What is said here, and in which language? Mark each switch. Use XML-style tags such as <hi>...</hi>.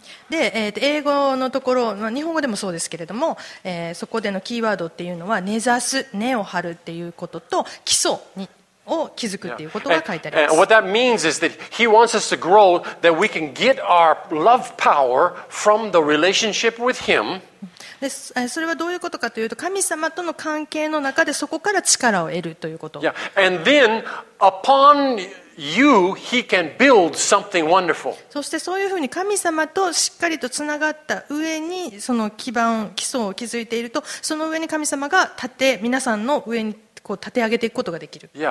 <ja>で、英語のところ、まあ、日本語でもそうですけれども、そこでのキーワードっていうのは根ざす、根を張るっていうことと基礎にを築くということが書いてあります。</ja> <en>And what that means is that he wants us to grow, that we can get our love power from the relationship with him.</en> <ja>それはどういうことかというと、神様との関係の中でそこから力を得るということ。 Yeah.</ja> <en>And then upon you, he can build something wonderful.</en> <ja>そしてそういうふうに神様としっかりとつながった上にその基盤、基礎を築いていると、その上に神様が立って皆さんの上に。こう立て上げていくことができる。</ja>